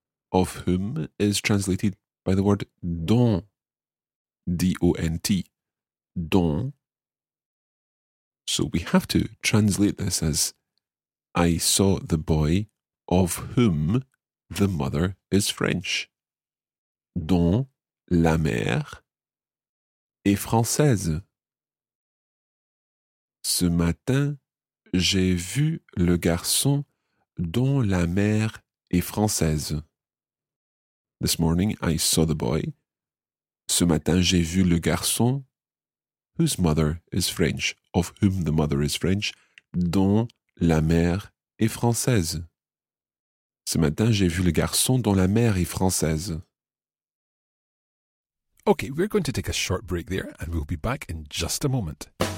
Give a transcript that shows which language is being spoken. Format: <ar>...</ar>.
<en>Of whom is translated by the word dont, D-O-N-T, dont. So we have to translate this as I saw the boy of whom the mother is French.</en> <fr>Dont la mère est française. Ce matin, j'ai vu le garçon dont la mère est française.</fr> <en>This morning, I saw the boy.</en> <fr>Ce matin, j'ai vu le garçon</fr> <en>whose mother is French,</en> <fr>of whom the mother is French, dont la mère est française. Ce matin, j'ai vu le garçon dont la mère est française.</fr> <en>Okay, we're going to take a short break there and we'll be back in just a moment.</en>